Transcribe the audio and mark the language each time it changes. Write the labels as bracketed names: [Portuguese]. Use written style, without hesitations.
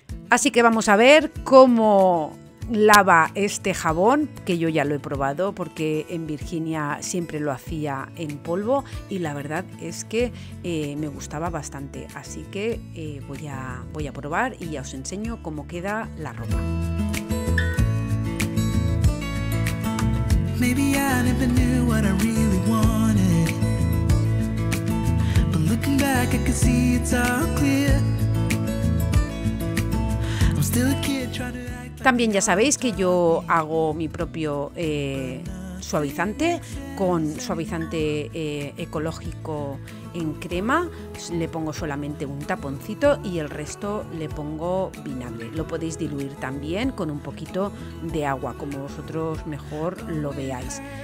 [Spanish] Así que vamos a ver cómo lava este jabón, que yo ya lo he probado porque en Virginia siempre lo hacía en polvo y la verdad es que me gustaba bastante. Así que voy a probar y ya os enseño cómo queda la ropa. [English] Maybe I never knew what I really wanted, but looking back I can see it's all clear. I'm still a kid trying to act. [Spanish] También ya sabéis que yo hago mi propio suavizante, con suavizante ecológico en crema. Le pongo solamente un taponcito y el resto le pongo vinagre. Lo podéis diluir también con un poquito de agua, como vosotros mejor lo veáis.